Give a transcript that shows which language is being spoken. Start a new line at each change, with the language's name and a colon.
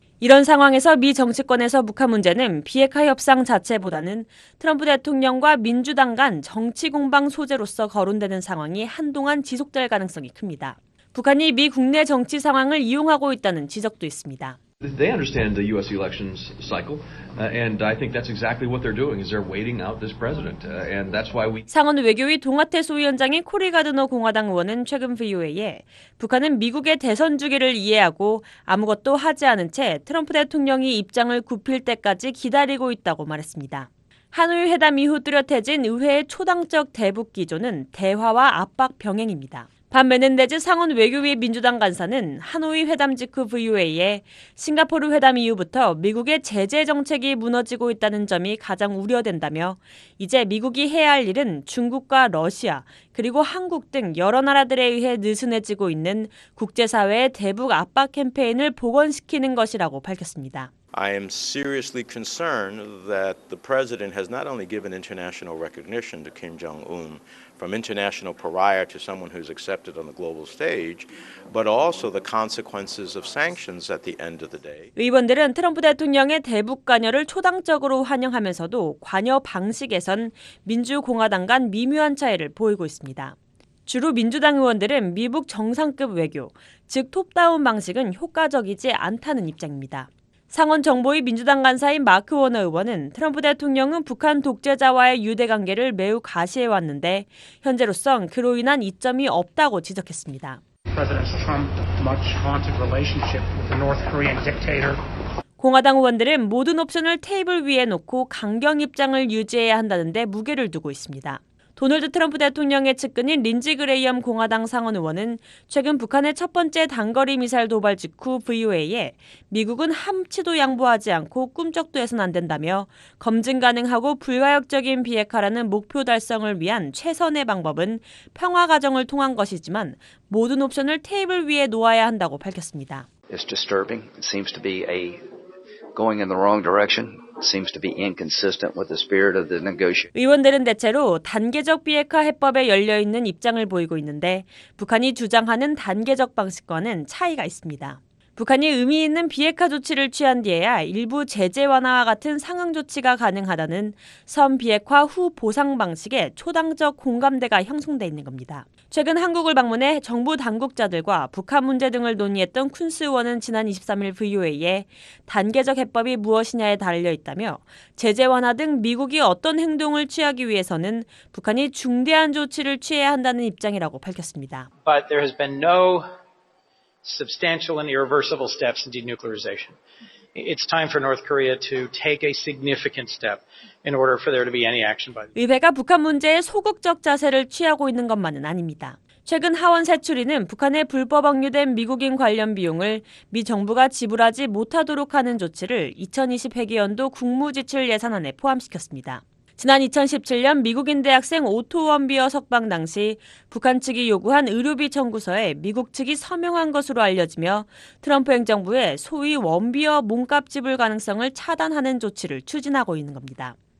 Korean: 이런 상황에서 미 정치권에서 북한 문제는 비핵화 협상 자체보다는 트럼프 대통령과 민주당 간 정치 공방 소재로서 거론되는 상황이 한동안 지속될 가능성이 큽니다. 북한이 미 국내 정치 상황을 이용하고 있다는 지적도 있습니다.
English: They understand the U.S. elections cycle, and I think that's exactly what they're doing. Is they're waiting out this president, and that's why we.
Korean: 상원 외교위 동아태 소위원장인 코리 가드너 공화당 의원은 최근 VOA에 북한은 미국의 대선 주기를 이해하고 아무것도 하지 않은 채 트럼프 대통령이 입장을 굽힐 때까지 기다리고 있다고 말했습니다. 하노이 회담 이후 뚜렷해진 의회의 초당적 대북 기조는 대화와 압박 병행입니다. 밤 메넨데즈 상원 외교위 민주당 간사는 하노이 회담 직후 VOA에 싱가포르 회담 이후부터 미국의 제재 정책이 무너지고 있다는 점이 가장 우려된다며 이제 미국이 해야 할 일은 중국과 러시아 그리고 한국 등 여러 나라들에 의해 느슨해지고 있는 국제사회의 대북 압박 캠페인을 복원시키는 것이라고 밝혔습니다.
English: I am seriously concerned that the president has not only given international recognition to Kim Jong-un from international pariah to someone who's accepted on the global stage, but also the consequences of sanctions at the end of the day.
Korean: 의원들은 트럼프 대통령의 대북 관여를 초당적으로 환영하면서도 관여 방식에선 민주공화당 간 미묘한 차이를 보이고 있습니다. 주로 민주당 의원들은 미국 정상급 외교, 즉 톱다운 방식은 효과적이지 않다는 입장입니다. 상원 정보위 민주당 간사인 마크 워너 의원은 트럼프 대통령은 북한 독재자와의 유대관계를 매우 과시해왔는데 현재로선 그로 인한 이점이 없다고 지적했습니다. 공화당 의원들은 모든 옵션을 테이블 위에 놓고 강경 입장을 유지해야 한다는 데 무게를 두고 있습니다. 도널드 트럼프 대통령의 측근인 린지 그레이엄 공화당 상원 의원은 최근 북한의 첫 번째 단거리 미사일 도발 직후 VOA에 미국은 한치도 양보하지 않고 꿈쩍도 해선 안 된다며 검증 가능하고 불가역적인 비핵화라는 목표 달성을 위한 최선의 방법은 평화 과정을 통한 것이지만 모든 옵션을 테이블 위에 놓아야 한다고 밝혔습니다.
English: It's disturbing. It seems to be a going in the wrong direction. Seems to be inconsistent with the spirit of the negotiation.
Korean: 의원들은 대체로 단계적 비핵화 해법에 열려 있는 입장을 보이고 있는데 북한이 주장하는 단계적 방식과는 차이가 있습니다. 북한이 의미 있는 비핵화 조치를 취한 뒤에야 일부 제재 완화와 같은 상응 조치가 가능하다는 선 비핵화 후 보상 방식의 초당적 공감대가 형성돼 있는 겁니다. 최근 한국을 방문해 정부 당국자들과 북한 문제 등을 논의했던 쿤스 의원은 지난 23일 VOA에 단계적 해법이 무엇이냐에 달려 있다며 제재 완화 등 미국이 어떤 행동을 취하기 위해서는 북한이 중대한 조치를 취해야 한다는 입장이라고 밝혔습니다.
English: But there has been no substantial and irreversible steps in denuclearization. It's time for North Korea to take a significant step in order for there to be any action by.
Korean: 의회가 북한 문제에 소극적 자세를 취하고 있는 것만은 아닙니다. 최근 하원 세출위는 북한에 불법 억류된 미국인 관련 비용을 미 정부가 지불하지 못하도록 하는 조치를 2020 회기 연도 국무지출 예산안에 포함시켰습니다. 지난 2017년 미국인 대학생 오토 원비어 석방 당시 북한 측이 요구한 의료비 청구서에 미국 측이 서명한 것으로 알려지며 트럼프 행정부의 소위 원비어 몸값 지불 가능성을 차단하는 조치를 추진하고 있는 겁니다.